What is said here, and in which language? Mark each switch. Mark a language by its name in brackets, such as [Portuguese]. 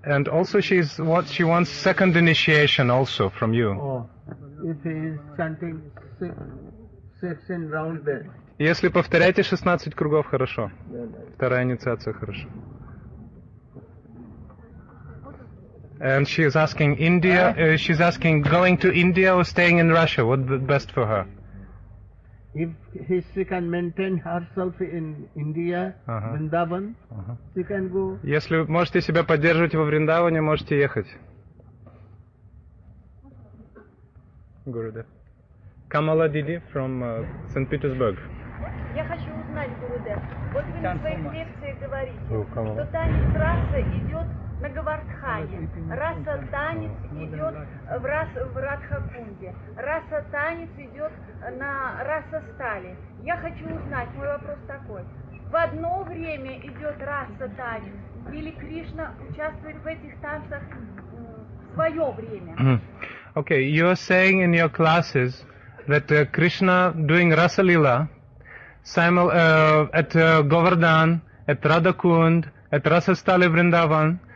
[English] And also she wants second initiation also from you. Oh, if he is chanting 16 rounds there. [Russian] Если повторяете 16 кругов, хорошо. Вторая инициация, хорошо. [English] And she is asking India, she's asking going to India or staying in Russia, what best for her? If she can maintain herself in India, Vrindavan, she can go. [Russian] Если можете себя поддерживать во Вриндаване, можете ехать. Гурудев. Камала Диди [English] from Saint-Petersburg. [Russian] Я хочу узнать, Гурудев, вот вы на своих лекциях говорите, что танец расы идет на Гавардхане, раса танец идет в Радхакунде, раса танец идет на раса стали. Я хочу узнать, мой вопрос такой, в одно время идет раса танец или Кришна участвует в этих танцах в свое время? [English] Okay, you are saying in your classes that Krishna doing rasa lila at Govardhan, at Radhakund, at Rasastali Vrindavan.